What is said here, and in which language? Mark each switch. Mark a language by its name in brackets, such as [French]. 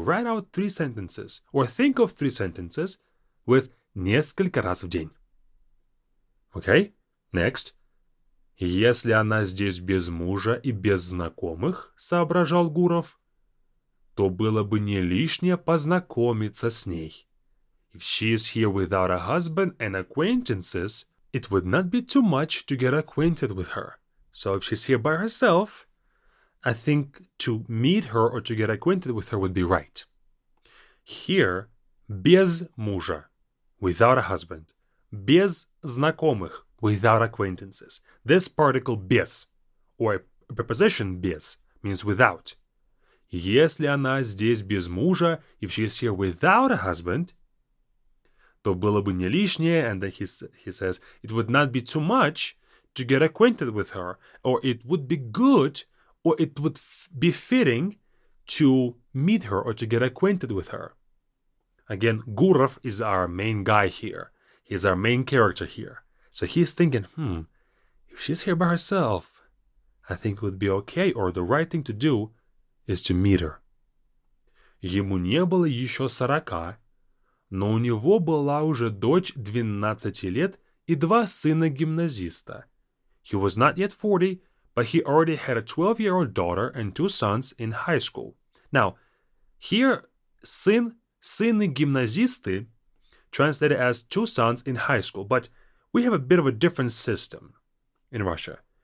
[English] Write out three sentences or think of three sentences with [Russian] несколько раз в день. [English] Okay, next. [Russian] Если она здесь без мужа и без знакомых, соображал Гуров, то было бы не лишнее познакомиться с ней. [English] If she is here without a husband and acquaintances, it would not be too much to get acquainted with her. So if she's here by herself, I think to meet her or to get acquainted with her would be right. Here, [Russian] без мужа, [English] without a husband, [Russian] без знакомых, [English] without acquaintances. This particle без, or a preposition без, means without. [Russian] Если она здесь без мужа, [English] if she is here without a husband, [Russian] то было бы не лишнее, [English] and then he says, it would not be too much to get acquainted with her, or it would be good, or it would be fitting to meet her or to get acquainted with her. Again, Гуров is our main guy here. He's our main character here. So he's thinking, if she's here by herself, I think it would be okay, or the right thing to do is to meet her. [Russian] Ему не было еще 40, но у него была уже дочь 12 лет и два сына гимназиста. [English] He was not yet 40, but he already had a 12-year-old daughter and two sons in high school. Now, here, [Russian] сыны гимназисты, [English] translated as two sons in high school, but we have a bit of a different system in Russia.